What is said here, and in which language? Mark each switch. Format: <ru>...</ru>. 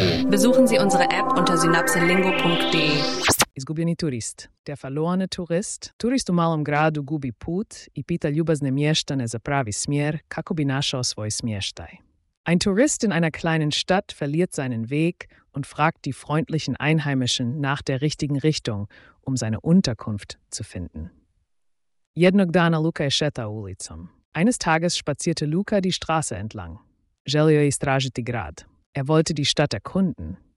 <de>Besuchen Sie unsere App unter synapselingo.de.</de> <hr>Izgubljeni turist.</hr> <de>Der verlorene Tourist.</de> <hr>Turist u malom gradu gubi put i pita ljubazne mještane za pravi smjer, kako bi našao svoj smještaj.</hr> <de>Ein Tourist in einer kleinen Stadt verliert seinen Weg und fragt die freundlichen Einheimischen nach der richtigen Richtung, um seine Unterkunft zu finden.</de> <hr>Jednog dana Luka je šetao ulicom.</hr> <de>Eines Tages spazierte Luka die Straße entlang.</de> <hr>Želio je istražiti grad.</hr> <de>Er wollte die Stadt erkunden.</de>